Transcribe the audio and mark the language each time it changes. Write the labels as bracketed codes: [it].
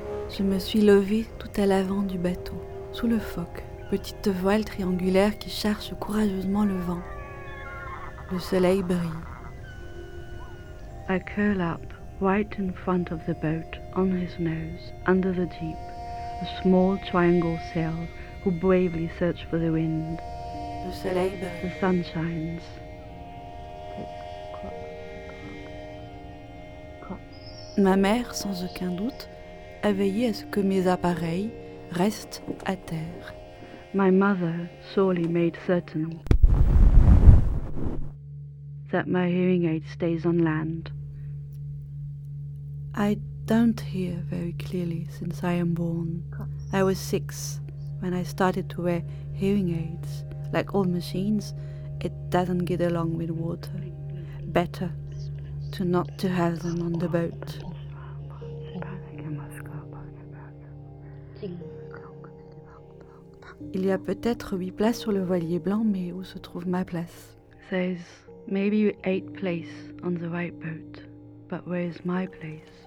[fr] Je me suis levée tout à l'avant du bateau, sous le foc, petite voile triangulaire qui cherche courageusement le vent. Le soleil brille. [en] I curl up, right in front of the boat, on his nose, under the deep, a small triangle sail who bravely search for the wind. [fr] Le soleil brille. [en] The sun shines. [fr] Ma mère, sans aucun doute, a veillé à ce que mes appareils restent à terre. [en] My mother sorely made certain that my hearing aid stays on land. I don't hear very clearly since I am born. I was 6 when I started to wear hearing aids. Like all machines, it doesn't get along with water. Better to not to have them on the boat. [fr] Il y a peut-être 8 places sur le voilier blanc, mais où se trouve ma place? [en] There's maybe 8 places on the white boat, but where is my place?